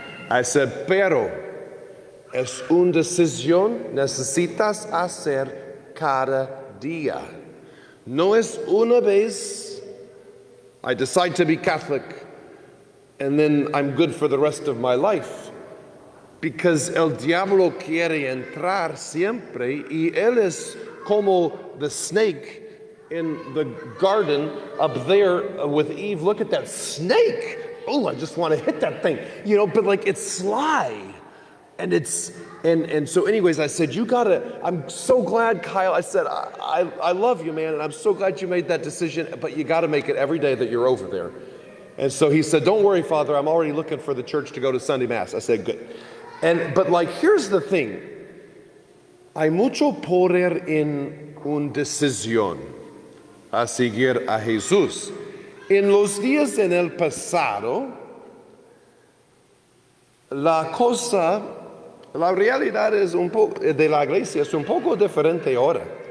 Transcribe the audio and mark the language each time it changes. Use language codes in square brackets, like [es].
[en] I said, [es] pero es una decisión necesitas hacer cada día. No es una vez [en] I decide to be Catholic and then I'm good for the rest of my life. Because [es] el diablo quiere entrar siempre y él es como [en] the snake in the garden up there with Eve. Look at that snake. Oh, I just want to hit that thing. You know, but like it's sly. And it's, and so anyways, I said, I'm so glad, Kyle. I said, I love you, man. And I'm so glad you made that decision, but you got to make it every day that you're over there. And so he said, don't worry, Father, I'm already looking for the church to go to Sunday Mass. I said, good. But like, here's the thing. [es] Hay mucho poder en una decisión a seguir a Jesús. En los días en el pasado, la cosa, la realidad es un poco de la iglesia es un poco diferente ahora.